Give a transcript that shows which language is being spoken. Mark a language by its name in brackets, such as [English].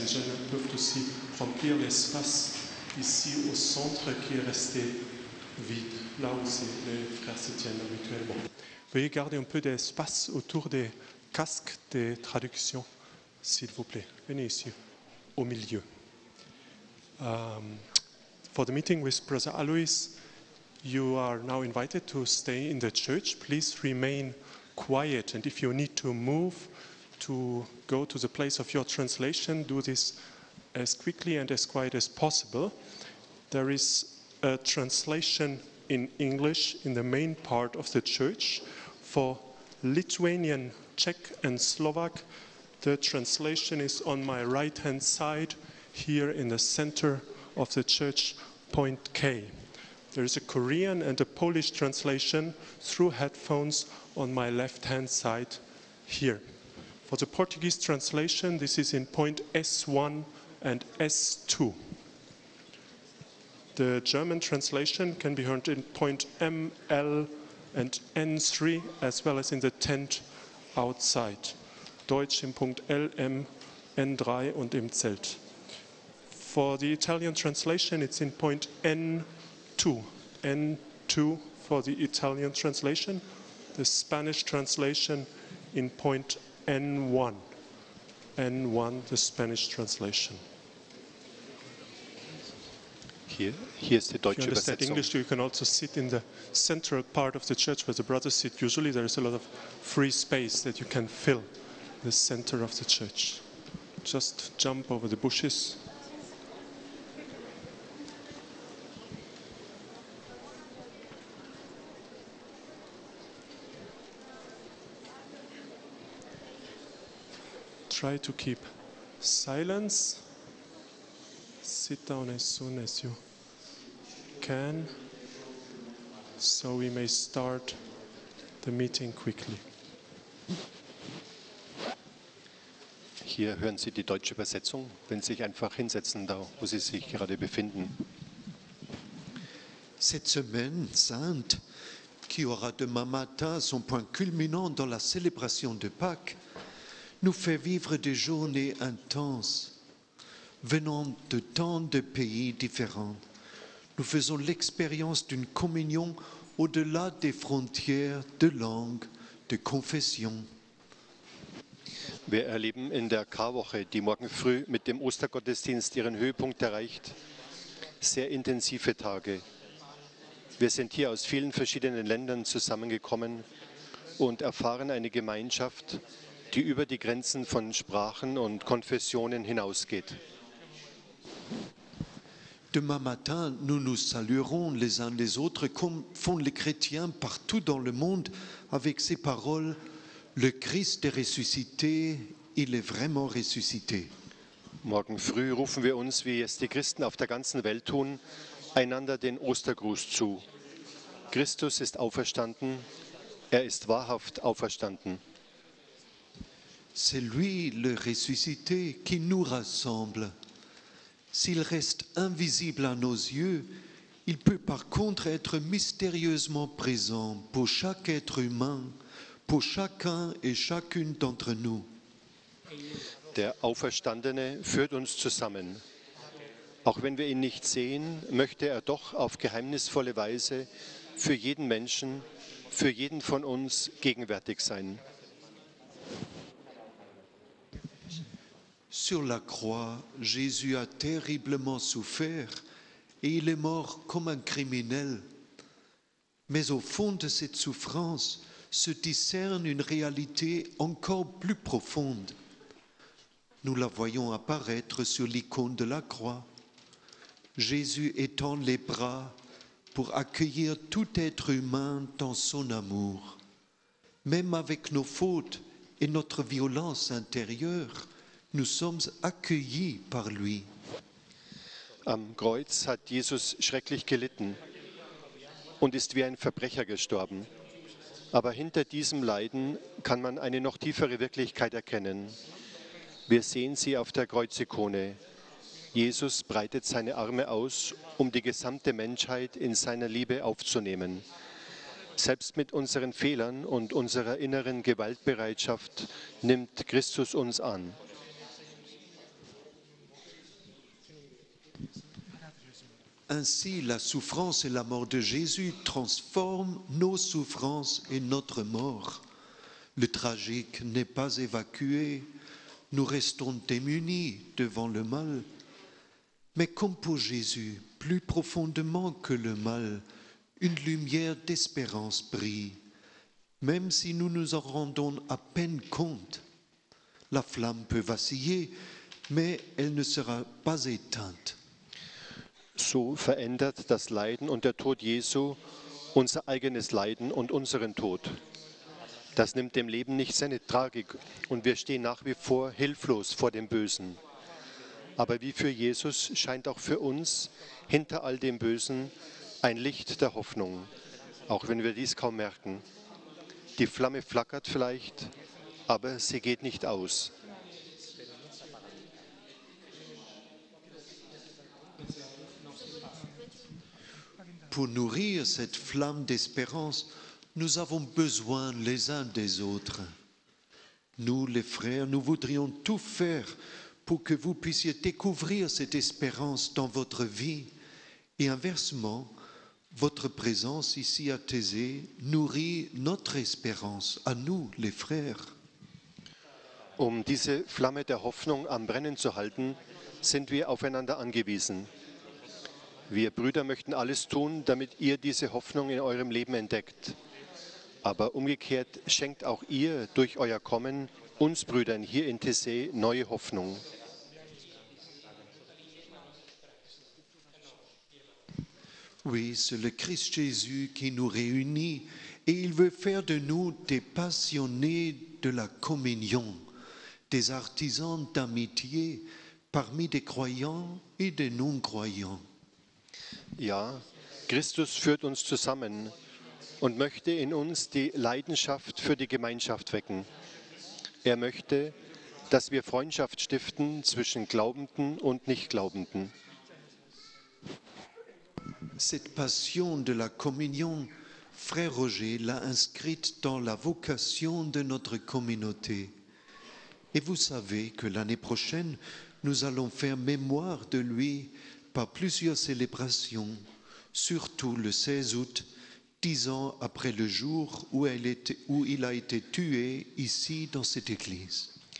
[French] Les jeunes peuvent aussi remplir l'espace ici au centre qui est resté vide, là où les frères se tiennent habituellement. Veuillez garder un peu d'espace autour des casques des traductions, s'il vous plaît. Venez ici, au milieu. [English] For the meeting with Brother Aloïs, you are now invited to stay in the church. Please remain quiet, and if you need to move to go to the place of your translation, do this as quickly and as quiet as possible. There is a translation in English in the main part of the church. For Lithuanian, Czech, and Slovak, the translation is on my right-hand side here in the center of the church, point K. There is a Korean and a Polish translation through headphones on my left-hand side here. For the Portuguese translation, this is in point S1 and S2. The German translation can be heard in point ML and N3, as well as in the tent outside. [German] Deutsch in point LM, N3 und im Zelt. [English] For the Italian translation, it's in point N2. N2 for the Italian translation. The Spanish translation in point N1. N1, the Spanish translation. Here's the [German] Deutsche Übersetzung. [English] If you understand English, you can also sit in the central part of the church where the brothers sit. Usually there is a lot of free space that you can fill in the center of the church. Just jump over the bushes. Try to keep silence. Sit down as soon as you can, so we may start the meeting quickly. [German] Hier hören Sie die deutsche Übersetzung, wenn Sie sich einfach hinsetzen, da wo Sie sich gerade befinden. [French] Cette semaine sainte, qui aura demain matin son point culminant dans la célébration de Pâques, nous fait vivre des journées intenses. Venant de tant de pays différents, nous faisons l'expérience d'une communion au-delà des frontières de langue, de confession. [German] Wir erleben in der Karwoche, die morgen früh mit dem Ostergottesdienst ihren Höhepunkt erreicht, sehr intensive Tage. Wir sind hier aus vielen verschiedenen Ländern zusammengekommen und erfahren eine Gemeinschaft, die über die Grenzen von Sprachen und Konfessionen hinausgeht. [French] Demain matin, nous nous saluerons les uns les autres comme font les chrétiens partout dans le monde avec ces paroles « Le Christ est ressuscité, il est vraiment ressuscité ». [German] Morgen früh rufen wir uns, wie es die Christen auf der ganzen Welt tun, einander den Ostergruß zu. Christus ist auferstanden, er ist wahrhaft auferstanden. [French] C'est lui le ressuscité qui nous rassemble. S'il reste invisible à nos yeux, il peut par contre être mystérieusement présent pour chaque être humain, pour chacun et chacune d'entre nous. [German] Der Auferstandene führt uns zusammen. Auch wenn wir ihn nicht sehen, möchte er doch auf geheimnisvolle Weise für jeden Menschen, für jeden von uns gegenwärtig sein. [French] Sur la croix, Jésus a terriblement souffert et il est mort comme un criminel. Mais au fond de cette souffrance se discerne une réalité encore plus profonde. Nous la voyons apparaître sur l'icône de la croix. Jésus étend les bras pour accueillir tout être humain dans son amour. Même avec nos fautes et notre violence intérieure, nous sommes accueillis par lui. [German] Am Kreuz hat Jesus schrecklich gelitten und ist wie ein Verbrecher gestorben. Aber hinter diesem Leiden kann man eine noch tiefere Wirklichkeit erkennen. Wir sehen sie auf der Kreuzikone. Jesus breitet seine Arme aus, um die gesamte Menschheit in seiner Liebe aufzunehmen. Selbst mit unseren Fehlern und unserer inneren Gewaltbereitschaft nimmt Christus uns an. [French] Ainsi, la souffrance et la mort de Jésus transforment nos souffrances et notre mort. Le tragique n'est pas évacué, nous restons démunis devant le mal. Mais comme pour Jésus, plus profondément que le mal, une lumière d'espérance brille. Même si nous nous en rendons à peine compte, la flamme peut vaciller, mais elle ne sera pas éteinte. [German] So verändert das Leiden und der Tod Jesu unser eigenes Leiden und unseren Tod. Das nimmt dem Leben nicht seine Tragik und wir stehen nach wie vor hilflos vor dem Bösen. Aber wie für Jesus scheint auch für uns hinter all dem Bösen ein Licht der Hoffnung, auch wenn wir dies kaum merken. Die Flamme flackert vielleicht, aber sie geht nicht aus. [French] Pour nourrir cette flamme d'espérance, nous avons besoin les uns des autres. Nous, les frères, nous voudrions tout faire pour que vous puissiez découvrir cette espérance dans votre vie. Et inversement, votre présence ici à Thésée nourrit notre espérance, à nous, les frères. [German] Um diese Flamme der Hoffnung am Brennen zu halten, sind wir aufeinander angewiesen. Wir Brüder möchten alles tun, damit ihr diese Hoffnung in eurem Leben entdeckt. Aber umgekehrt schenkt auch ihr durch euer Kommen uns Brüdern hier in Thésée neue Hoffnung. [French] Oui, c'est le Christ Jésus qui nous réunit et il veut faire de nous des passionnés de la communion, des artisans d'amitié parmi des croyants et des non-croyants. [German] Ja, Christus führt uns zusammen und möchte in uns die Leidenschaft für die Gemeinschaft wecken. Er möchte, dass wir Freundschaft stiften zwischen Glaubenden und Nichtglaubenden. [French] Cette passion de la communion, Frère Roger l'a inscrite dans la vocation de notre communauté. Et vous savez que l'année prochaine, nous allons faire mémoire de lui par plusieurs célébrations, surtout le 16 août, 10 ans après le jour où, il a été tué ici dans cette église.